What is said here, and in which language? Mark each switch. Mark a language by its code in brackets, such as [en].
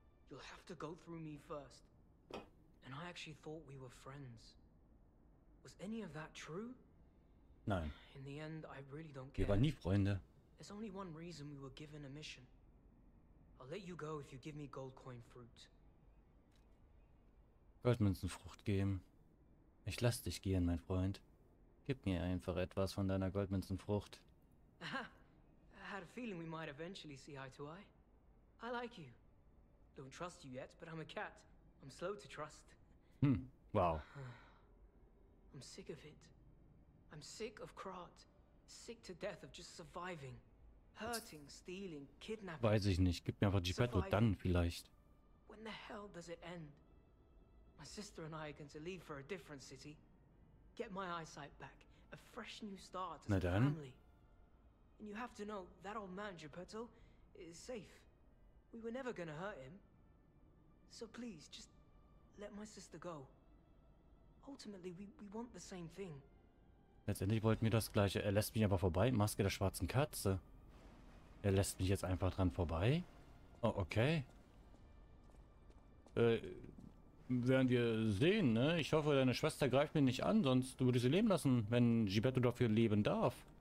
[en] You'll have to go through me first. And I actually thought we were friends. Was any of that true? [de] Nein. [en] In the end, I really don't care. [de] Wir waren nie Freunde. [en] There's only one reason we were given a mission. I'll let you go if you give me gold coin fruit. [de] Goldmünzenfrucht geben. Ich lass dich gehen, mein Freund. Gib mir einfach etwas von deiner Goldmünzenfrucht. [en] Aha. I had a feeling we might eventually see eye to eye. I like you. Don't trust you yet, but I'm a cat. I'm slow to trust. Wow. I'm sick of it. I'm sick of Krat. Sick to death of just surviving. Hurting, stealing, kidnapping. [de] Weiß ich nicht. Gib mir einfach Gepetto dann vielleicht. [en] When the hell does it end? My sister and I are going to leave for a different city. Get my eyesight back. A fresh new start as a family. And you have to know, that old man, Geppetto, is safe. We were never gonna hurt him. So please, just let my sister go. Ultimately, we want the same thing. [de] Letztendlich wollten wir das gleiche. Er lässt mich aber vorbei. Maske der schwarzen Katze. Er lässt mich jetzt einfach dran vorbei. Oh, okay. Werden wir sehen, ne? Ich hoffe, deine Schwester greift mir nicht an, sonst würde ich sie leben lassen, wenn Gepetto dafür leben darf.